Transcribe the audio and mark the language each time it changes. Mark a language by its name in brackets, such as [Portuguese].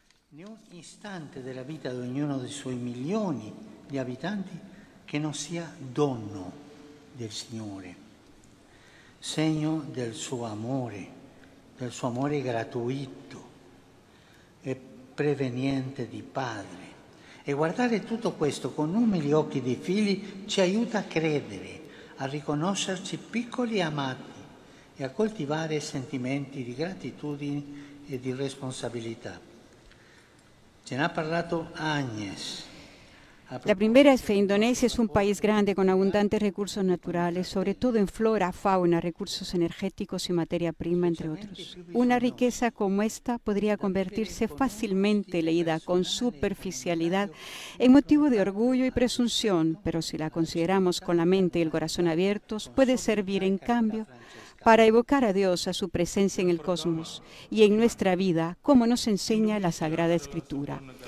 [Spanish] Ni un instante de la vida de uno de sus millones de habitantes que no sea dono del Señor, seño del su amor, del su amor gratuito, preveniente de Padre. [Italian] E guardare tutto questo con umili occhi di figli ci aiuta a credere, a riconoscerci piccoli e amati e a coltivare sentimenti di gratitudine e di responsabilità. Ce n'ha parlato Agnes. [Spanish] La primera es fe. Indonesia es un país grande con abundantes recursos naturales, sobre todo en flora, fauna, recursos energéticos y materia prima, entre otros. Una riqueza como esta podría convertirse fácilmente, leída con superficialidad, en motivo de orgullo y presunción, pero si la consideramos con la mente y el corazón abiertos, puede servir, en cambio, para evocar a Dios, a su presencia en el cosmos y en nuestra vida, como nos enseña la Sagrada Escritura.